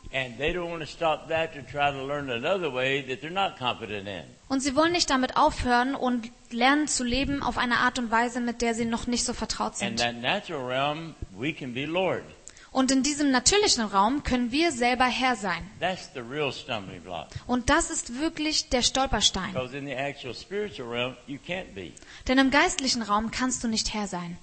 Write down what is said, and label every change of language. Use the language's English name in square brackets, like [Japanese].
[English] And they don't want to stop that to try to learn another way that they're not confident in. [German] Und sie wollen nicht damit aufhören und lernen zu leben auf eine Art und Weise, mit der sie noch nicht so vertraut sind. [English] In that natural realm, we can be Lord. [German] Und in diesem natürlichen Raum können wir selber Herr sein. [English] That's the real stumbling block. [German] Und das ist wirklich der Stolperstein. [English] Because in the actual spiritual realm, you can't be. [German] Denn im geistlichen Raum kannst du nicht Herr sein.